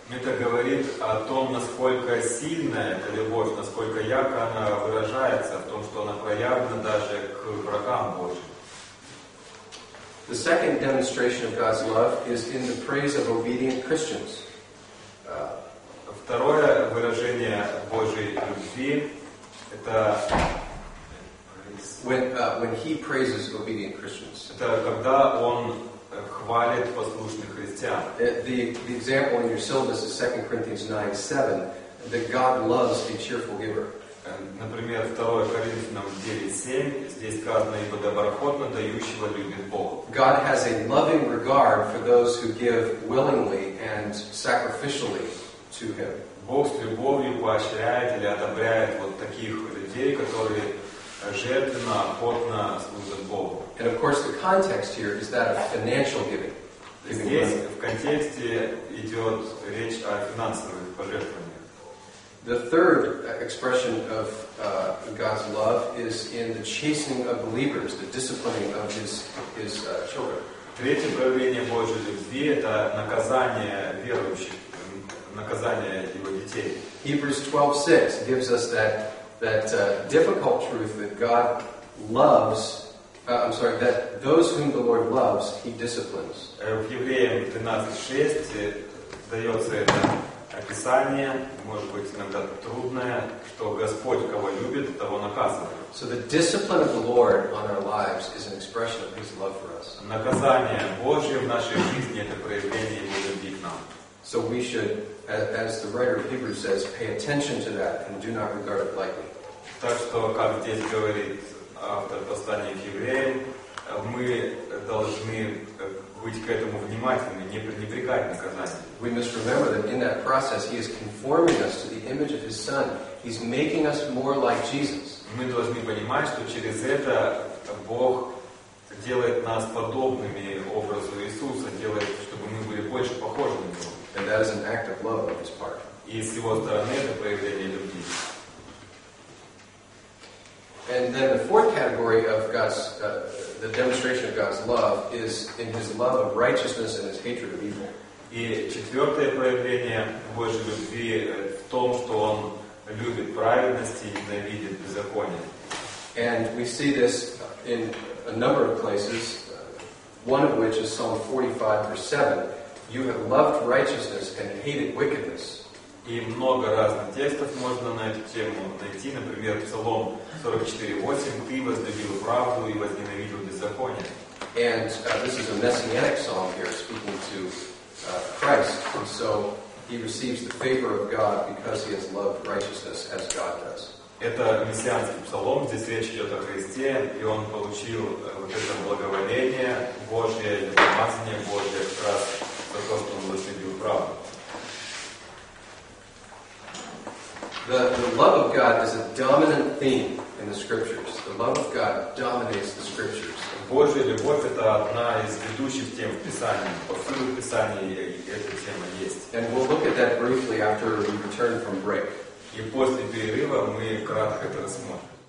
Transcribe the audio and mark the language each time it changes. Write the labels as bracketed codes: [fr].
[ru] Это говорит о том, насколько сильная эта любовь, насколько ярко она выражается, в том, что она проявлена даже к врагам Божьим. [en] The second demonstration of God's love is in the praise of obedient Christians. [ru] Второе выражение Божьей любви — это [en] when He praises obedient Christians. [ru] Это когда Он хвалит послушных христиан. [en] The example in your syllabus is 2 Corinthians 9:7, that God loves a cheerful giver. [ru] Например, 2 Коринфянам 9:7 здесь сказано, ибо доброхотно дающего любит Бог. [en] God has a loving regard for those who give willingly and sacrificially to Him. [ru] Бог с любовью поощряет или одобряет вот таких людей, которые жертвенно, охотно служат Богу. [en] And of course, the context here is that of financial giving. [ru] Здесь в контексте идет речь о финансовых пожертвованиях. [en] The third expression of God's love is in the chastening of believers, the disciplining of His children. [ru] Третье проявление Божьей любви — это наказание верующих, наказание Его детей. [en] Hebrews 12:6 gives us that difficult truth that God loves. I'm sorry, that those whom the Lord loves, He disciplines. [ru] В Евреям 12:6 дается это описание, может быть, иногда трудное, что Господь, кого любит, того наказывает. [en] So the discipline of the Lord on our lives is an expression of His love for us. [ru] Наказание Божье в нашей жизни — это проявление Его любви к нам. [en] So we should, as the writer of Hebrews says, pay attention to that and do not regard it lightly. [ru] Так что, как здесь говорит автор послания к евреям, мы должны быть к этому внимательны, не пренебрегать наказанием. [en] We must remember that in that process He is conforming us to the image of His Son. He's making us more like Jesus. [ru] Мы должны понимать, что через это Бог делает нас подобными образу Иисуса, делает, чтобы мы были больше похожи на Него. [en] And that is an act of love on His part. [ru] И с его стороны это проявление любви. [en] And then the fourth category of God's the demonstration of God's love is in his love of righteousness and his hatred of evil. [ru] И четвёртое проявление Божьей любви в том, что он любит праведность и ненавидит беззаконие. [en] And we see this in a number of places, one of which is Psalm 45:7. You have loved righteousness and hated wickedness. [ru] И много разных текстов можно на эту тему найти. Например, Псалом 44:8. Ты возлюбил правду и возненавидел беззаконие. [en] And this is a messianic psalm here, speaking to Christ. And so he receives the favor of God because he has loved righteousness as God does. [ru] Это мессианский псалом, здесь речь идет о Христе, и он получил вот это благоволение Божье, помазание Божье, как раз за то, что он возлюбил правду. [en] The love of God is a dominant theme in the scriptures. The love of God dominates the scriptures. [ru] Божья любовь — это одна из ведущих тем в Писании. Повсюду в Писании эта тема есть. [en] And we'll look at that briefly after we return from break. [ru] И после перерыва мы кратко это рассмотрим.